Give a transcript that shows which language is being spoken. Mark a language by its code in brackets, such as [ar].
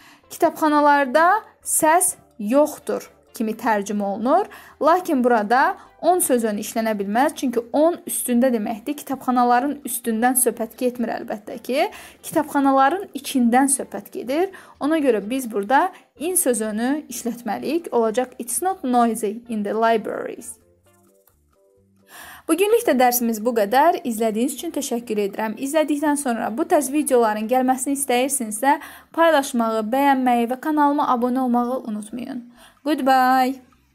[az] Kitabxanalarda səs yoxdur kimi tərcümə olunur. Lakin burada on sözün işlənə bilməz, çünki on üstündə deməkdir. Kitabxanaların üstündən söhbət getmir əlbəttə ki, kitabxanaların içindən söhbət gedir. Ona görə biz burada in sözünü işlətməliyik. Olacaq, [en] it's not noisy in the libraries. [az] Bugünlük də dərsimiz bu qədər. İzlədiyiniz üçün təşəkkür edirəm. İzlədikdən sonra bu tərz videoların gəlməsini istəyirsinizsə, paylaşmağı, bəyənməyi və kanalıma abunə olmağı unutmayın. [en] Goodbye!